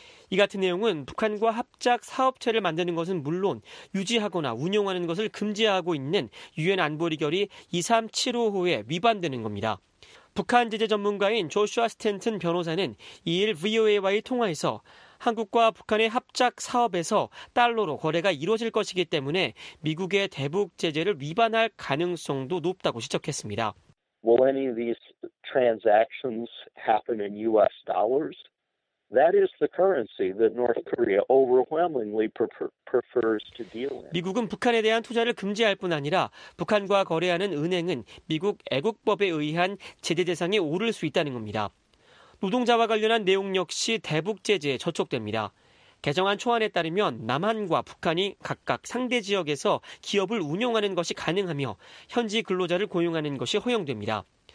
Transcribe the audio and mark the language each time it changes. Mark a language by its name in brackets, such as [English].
[Korean] 이 같은 내용은 북한과 합작 사업체를 만드는 것은 물론 유지하거나 운영하는 것을 금지하고 있는 유엔 안보리 결의 2375호에 위반되는 겁니다. 북한 제재 전문가인 조슈아 스탠튼 변호사는 이일 VOA와의 통화에서 한국과 북한의 합작 사업에서 달러로 거래가 이루어질 것이기 때문에 미국의 대북 제재를 위반할 가능성도 높다고 지적했습니다. [English] will any of these transactions happen in U.S. dollars? That is the currency that North Korea overwhelmingly prefers to deal in. [Korean] 미국은 북한에 대한 투자를 금지할 뿐 아니라 북한과 거래하는 은행은 미국 애국법에 의한 제재 대상에 오를 수 있다는 겁니다. 노동자와 관련한 내용 역시 대북 제재에 저촉됩니다. 개정안 초안에 따르면 남한과 북한이 각각 상대 지역에서 기업을 운영하는 것이 가능하며 현지 근로자를 고용하는 것이 허용됩니다.